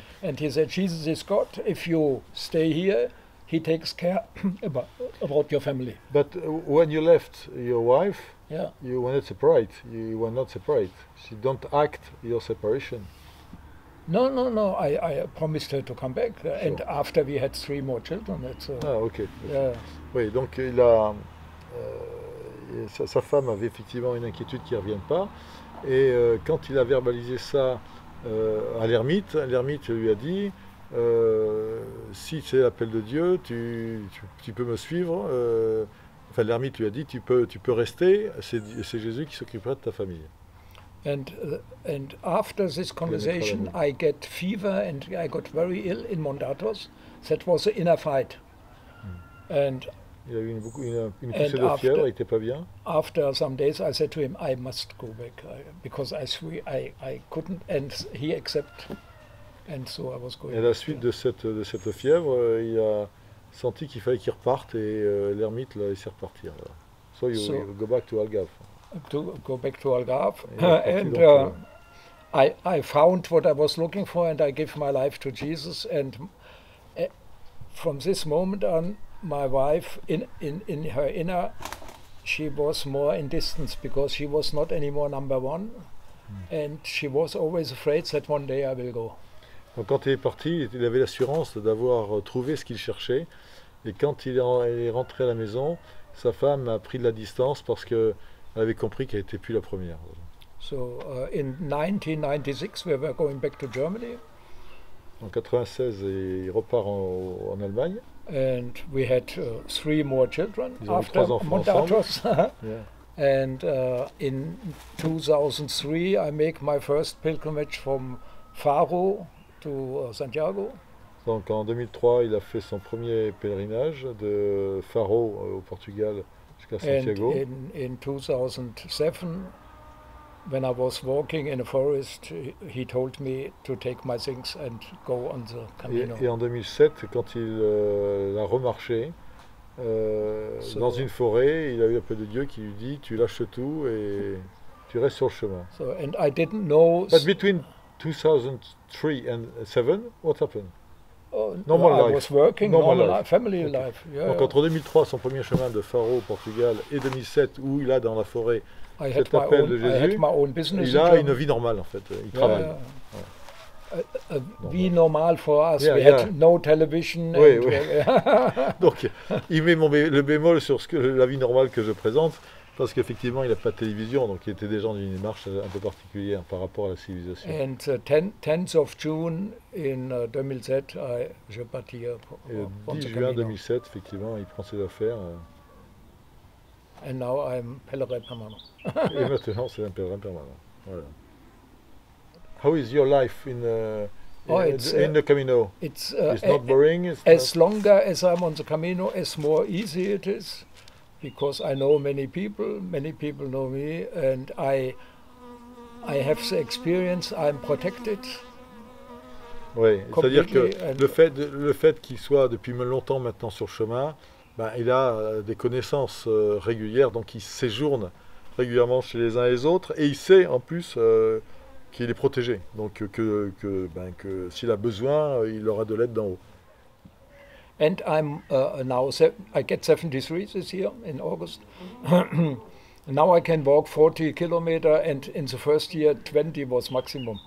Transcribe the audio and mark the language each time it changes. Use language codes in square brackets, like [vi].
[en] And he said, Jesus is God. If you stay here, he takes care about your family. But when you left your wife, Yeah. you were not separate. You were not separate. She don't act your separation. No. I promised her to come back, and Sure. after we had 3 more children, that's Ah, ok. yeah. [fr] Oui, donc il a sa femme avait effectivement une inquiétude qui ne revienne pas. Quand il a verbalisé ça à l'ermite, l'ermite lui a dit « Si c'est l'appel de Dieu, tu peux me suivre. » Enfin, l'ermite lui a dit tu peux rester, c'est Jésus qui s'occupera de ta famille. » [en] And after this conversation, I get fever and I got very ill in Mondatos. That was an inner fight. And [fr] il a eu une poussée de fièvre, il n'était pas bien. [en] After some days, I said to him, I must go back because I couldn't. And he accepted. And so I was going. [fr] Et à la suite de cette fièvre, il a senti qu'il fallait qu'il reparte et l'ermite l'a laissé repartir. [en] So you go back to Algarve. To go back to Algarve, and I found what I was looking for, and I gave my life to Jesus. And from this moment on, my wife, in her inner, she was more in distance because she was not anymore number one, and she was always afraid that one day I will go. [fr] Donc quand il est parti, il avait l'assurance d'avoir trouvé ce qu'il cherchait, et quand il est rentré à la maison, sa femme a pris de la distance parce que elle avait compris qu'elle n'était plus la première. [en] So, in 1996, we were going back to Germany. [fr] En 96, il repart en Allemagne. [en] And we had three more children. [fr] Ils ont trois enfants ensemble. [en] After Mondatos. Yeah. And in 2003, I make my first pilgrimage from Faro to Santiago. [fr] Donc en 2003, il a fait son premier pèlerinage de Faro au Portugal. [en] And in 2007, when I was walking in a forest, he told me to take my things and go on the Camino. [fr] Et en 2007, quand il a remarché dans une forêt, il a eu l'appel de Dieu qui lui dit tu lâches tout et tu restes sur le chemin. [en] So, and I didn't know. But between 2003 and 2007, what happened? I was working, normal life. Family okay. Life. Yeah, [fr] donc entre 2003, son premier chemin de Faro au Portugal, et 2007, où il a dans la forêt cet appel de Jésus, il a une vie normale en fait, il travaille. [en] Yeah. [fr] Ouais. A vie normale pour nous, [en] yeah, we had no television. [fr] Oui, and oui. Donc il met le bémol sur la vie normale que je présente, parce qu'effectivement il n'a pas de télévision, donc il était déjà dans une démarche un peu particulière par rapport à la civilisation. [en] And 10th of June in 2007, [fr] je partis pour le Camino. Le 10 juin 2007, effectivement, il prend ses affaires. [en] And now I'm [fr] pèlerin permanent. Et maintenant, c'est un pèlerin permanent. Voilà. [en] How is your life in the Camino? It's not boring. Longer as I'm on the Camino, as more easy it is. Because I know many people know me, and I have the experience, I'm protected. [fr] Oui, c'est-à-dire que le fait qu'il soit depuis longtemps maintenant sur le chemin, ben, il a des connaissances régulières, donc il séjourne régulièrement chez les uns et les autres, et il sait en plus qu'il est protégé, donc que s'il a besoin, il aura de l'aide d'en haut. [en] And I'm now I get 73 this year in August. Now I can walk 40 kilometers, and in the first year 20 was maximum.